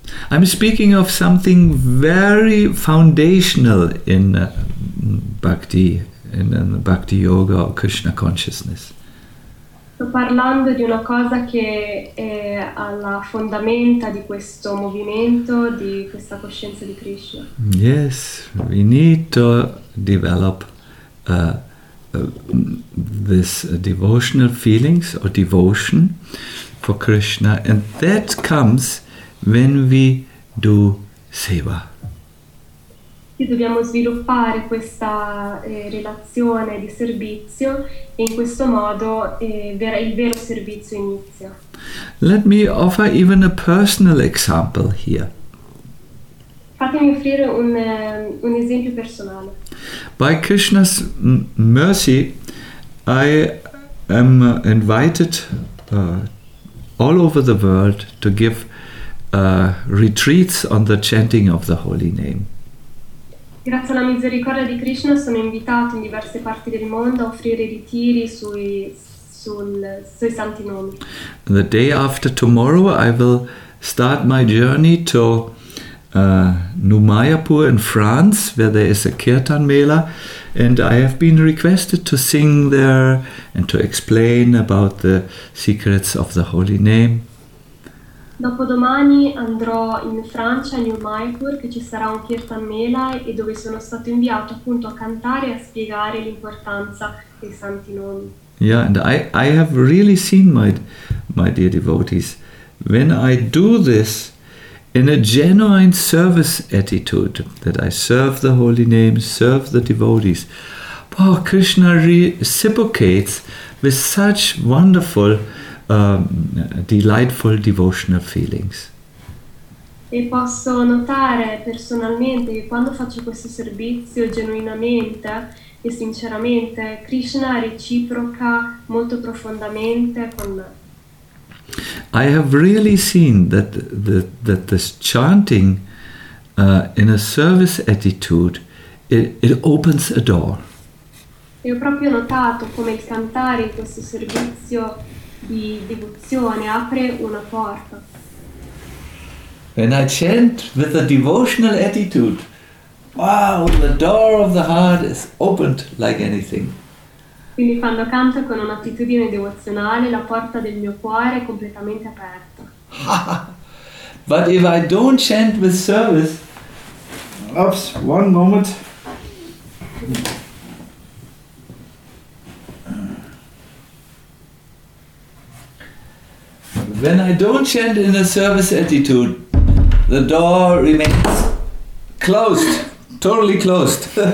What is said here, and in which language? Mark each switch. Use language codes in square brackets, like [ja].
[en] I'm speaking of something very foundational in bhakti, in bhakti yoga or Krishna consciousness. [it] Sto parlando di una cosa che è alla fondamenta di questo movimento, di questa coscienza di Krishna. [en] Yes, we need to develop this devotional feelings or devotion for Krishna, and that comes when we do seva. [it] Dobbiamo sviluppare questa relazione di servizio e in questo modo il vero servizio inizia. [en] Let me offer even a personal example here. [it] Fatemi offrire un esempio personale. [en] By Krishna's mercy, I am invited all over the world to give retreats on the chanting of the holy name. [it] Grazie alla misericordia di Krishna sono invitato in diverse parti del mondo a offrire ritiri sui santi nomi. [en] The day after tomorrow I will start my journey to New Mayapur in France, where there is a Kirtan Mela, and I have been requested to sing there and to explain about the secrets of the holy name. [it] Dopodomani andrò in Francia, a New Mayapur, che ci sarà un Kirtan Mela e dove sono stato inviato appunto a cantare e a spiegare l'importanza dei santi nomi. [en] Yeah, and I have really seen my dear devotees when I do this in a genuine service attitude, that I serve the holy name, serve the devotees. Oh, Krishna reciprocates with such wonderful, delightful devotional feelings. [it] E posso notare personalmente che quando faccio questo servizio genuinamente e sinceramente, Krishna reciproca molto profondamente con me. [en] I have really seen that this chanting in a service attitude it opens a door. [it] E ho proprio notato come il cantare in questo servizio di devozione apre una porta. [en] When I chant with a devotional attitude, wow, the door of the heart is opened like anything. [it] Quindi quando canto con un'attitudine devozionale, la porta del mio cuore è completamente aperta. [en] But if I don't chant with service, oops, one moment. When I don't chant in a service attitude, the door remains closed, totally closed.